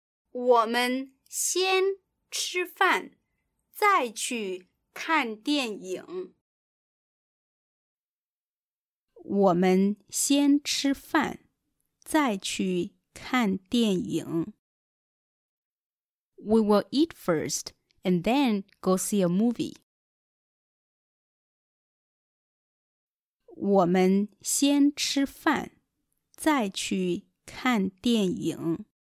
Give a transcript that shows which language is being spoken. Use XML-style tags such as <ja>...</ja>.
<zh>我们先吃饭，再去看电影。我们先吃饭，再去看电影。</zh> <en>We will eat first and then go see a movie.</en> <zh>我们先吃饭，再去看电影。</zh>